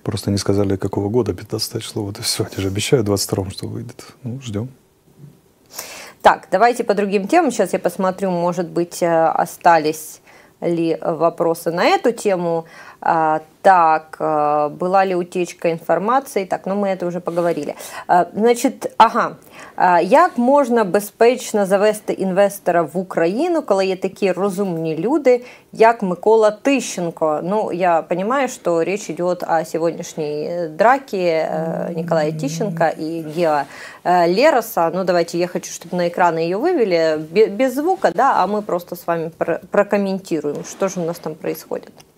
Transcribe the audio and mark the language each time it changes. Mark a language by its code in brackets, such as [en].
[ru] Просто не сказали, какого года 15 число, вот и все, они же обещают в 22-м, что выйдет. Ну, ждем. Так, давайте по другим темам, сейчас я посмотрю, может быть, остались ли вопросы на эту тему. Так, была ли утечка информации? Так, ну мы это уже поговорили. [uk] Значит, ага, як можна безпечно завести інвестора в Україну, коли є такі розумні люди, як Микола Тищенко? [ru] Ну, я понимаю, что речь идет о сегодняшней драке Николая Тищенко и Гео Лероса. Ну, давайте, я хочу, чтобы на экраны ее вывели без звука, да, а мы просто с вами прокомментируем, что же у нас там происходит.